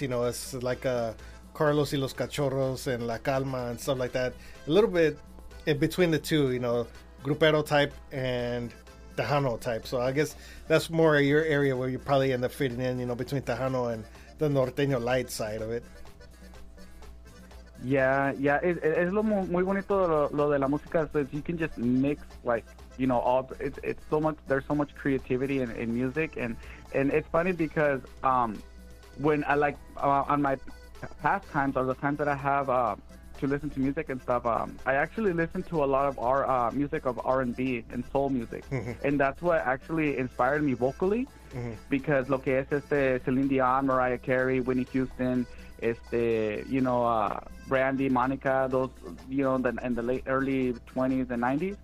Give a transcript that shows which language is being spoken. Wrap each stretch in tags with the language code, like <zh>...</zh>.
<en>You know, it's like a Carlos y los Cachorros and La Calma and stuff like that. A little bit in between the two, you know, grupero type and Tejano type. So I guess that's more your area where you probably end up fitting in, you know, between Tejano and the Norteño Light side of it. Yeah.</en> <es>Es lo muy bonito lo de la música.</es> <en>So you can just mix, like, you know, all it's so much, there's so much creativity in music. And it's funny because when I like on my past times or the times that I have to listen to music and stuff, I actually listen to a lot of our music of R&B and soul music, and that's what actually inspired me vocally, because</en> <es>lo que es</es> <en>Celine Dion, Mariah Carey, Whitney Houston, you know, Brandy, Monica, those, you know, in the late early 20s and 90s.</en>